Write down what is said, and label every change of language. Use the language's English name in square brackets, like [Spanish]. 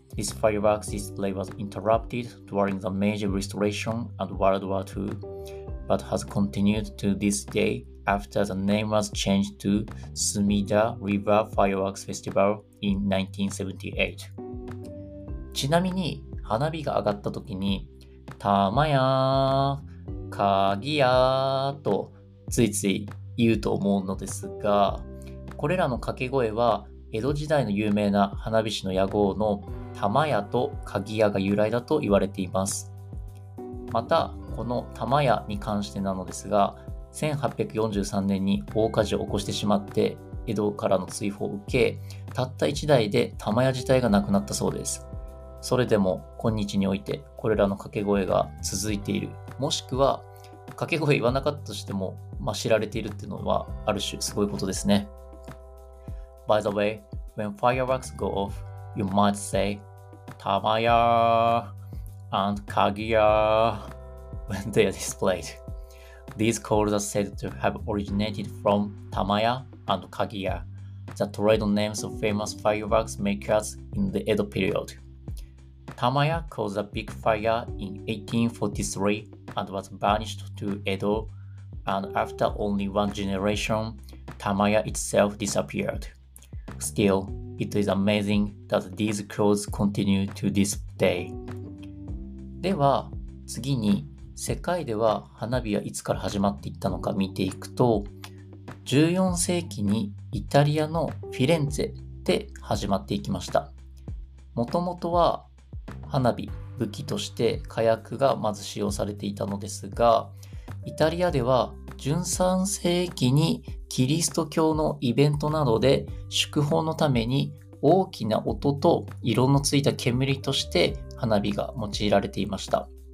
[English] This fireworks display was interrupted during the Meiji Restoration and World War II, but has continued to this day after the name was changed to Sumida River Fireworks Festival in 1978. [Japanese] ちなみに花火が上がった時に、たまやー、かぎやーとついつい言うと思うのですが、これらの掛け声は江戸時代の有名な花火師の屋号の玉屋と鍵屋が由来だと言われています。またこの玉屋に関してなのですが、1843年に大火事を起こしてしまって江戸からの追放を受け、たった1代で玉屋自体がなくなったそうです。それでも今日においてこれらの掛け声が続いている、もしくは掛け声言わなかったとしても、まあ、知られているっていうのはある種すごいことですね。 [English] By the way, when fireworks go offYou might say, Tamaya and Kagiya when they are displayed. These calls are said to have originated from Tamaya and Kagiya, the trade names of famous fireworks makers in the Edo period. Tamaya caused a big fire in 1843 and was banished to Edo, and after only one generation, Tamaya itself disappeared. Still,It is amazing that these clothes continue to this day. [Japanese] では次に世界では花火はいつから始まっていったのか見ていくと、14世紀にイタリアのフィレンツェで始まっていきました。もともとは花火、武器として火薬がまず使用されていたのですが、イタリアでは13世紀にキリスト教のイベントなどで祝砲のために大きな音と色のついた煙として花火が用いられていました。